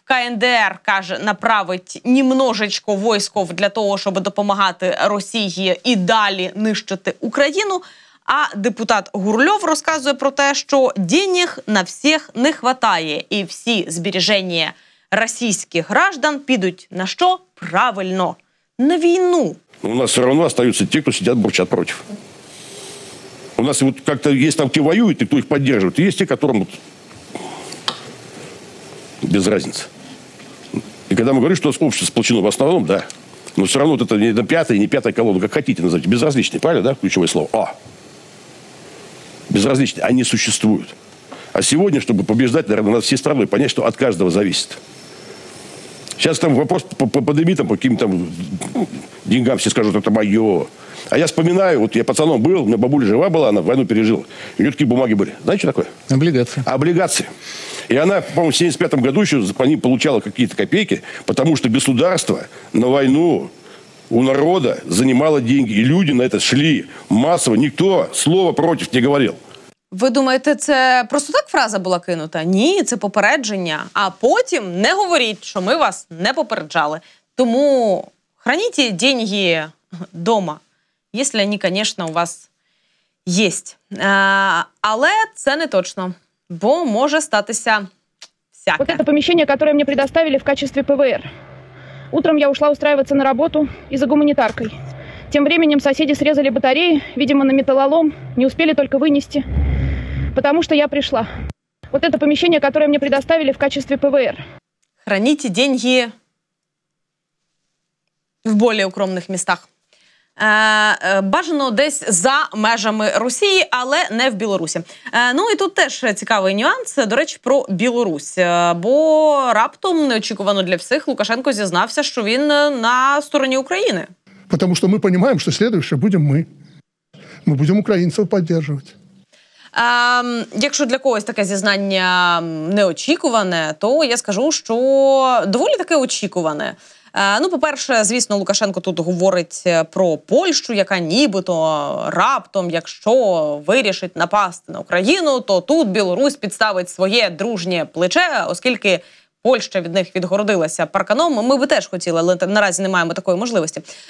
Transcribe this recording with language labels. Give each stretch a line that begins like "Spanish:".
Ukrainian: КНДР, каже, направить німножечко військов для того, щоб допомагати Росії і далі нищити Україну. А депутат Гурльов розказує про те, що денег на всіх не вистачає, і всі збереження російських граждан підуть на що? Правильно, на війну. У нас все одно залишаються ті, хто сидять, бурчать проти.
Russian: У нас вот как-то есть там, где воюют, и кто их поддерживает, и есть те, которым вот без разницы. И когда мы говорим, что у нас общество сплочено в основном, да, но все равно вот это не пятая, не пятая колонна, как хотите назовите, безразличные, правильно, да, ключевое слово? А. Безразличные, они существуют. А сегодня, чтобы побеждать, наверное, надо всей страной понять, что от каждого зависит. Сейчас там вопрос подними, там, по каким-то деньгам все скажут, это мое. А я вспоминаю, вот я пацаном был, у меня бабуля жива была, она войну пережила. У нее такие бумаги были. Знаете, что такое? Облигации. Облигации. И она, по-моему, в 75-м году еще по ним получала какие-то копейки, потому что государство на войну у народа занимало деньги. И люди на это шли массово. Никто слова против не говорил.
Ukrainian: Ви думаєте, це просто так фраза була кинута? Ні, це попередження. А потім не говоріть, що ми вас не попереджали. Тому
Russian: храніть деньги дома,
Ukrainian: якщо вони, звісно, у вас є. Але це не точно, бо може статися всяке.
Russian: Вот это помещение, которое мне предоставили в качестве ПВР. Утром я ушла устраиваться на работу и за гуманитаркой. Тем временем соседи срезали батареи, видимо, на металлолом, не успели только вынести, потому что я пришла. Вот это помещение, которое мне предоставили в качестве ПВР. Храните деньги в более укромных местах.
Ukrainian: Бажано десь за межами Росії, але не в Білорусі. Ну і тут теж цікавий нюанс, до речі, про Білорусь. Бо раптом, неочікувано для всіх, Лукашенко зізнався, що він на стороні України.
Russian: Потому что мы понимаем, что следующее будем мы. Мы будем украинцев поддерживать.
Ukrainian: Якщо для когось таке зізнання неочікуване, то я скажу, що доволі таке очікуване. Ну, по-перше, звісно, Лукашенко тут говорить про Польщу, яка нібито раптом, якщо вирішить напасти на Україну, то тут Білорусь підставить своє дружнє плече, оскільки Польща від них відгородилася парканом, ми би теж хотіли, але наразі не маємо такої можливості.